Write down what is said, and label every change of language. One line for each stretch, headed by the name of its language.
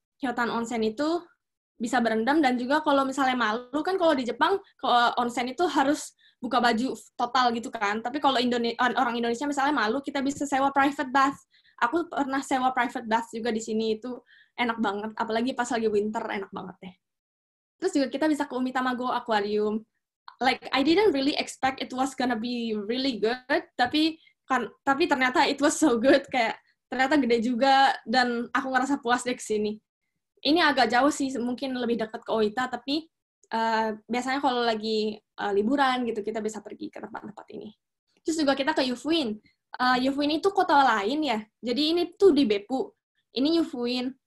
Indonesian: Hyotang Onsen itu bisa berendam, dan juga kalau misalnya malu, kan kalau di Jepang, kalau onsen itu harus buka baju total gitu kan. Tapi kalau orang Indonesia misalnya malu, kita bisa sewa private bath. Aku pernah sewa private bath juga di sini, itu enak banget. Apalagi pas lagi winter, enak banget deh. Terus juga kita bisa ke Umitamago Aquarium.
English: Like, I didn't really expect it was gonna be really good,
Indonesian: tapi ternyata
English: it was so good.
Indonesian: Kayak, ternyata gede juga, dan aku ngerasa puas deh kesini. Ini agak jauh sih, mungkin lebih dekat ke OITA, tapi biasanya kalau lagi liburan gitu, kita bisa pergi ke tempat-tempat ini. Terus juga kita ke Yufuin. Yufuin itu kota lain ya, jadi ini tuh di BIPU. Ini Yufuin.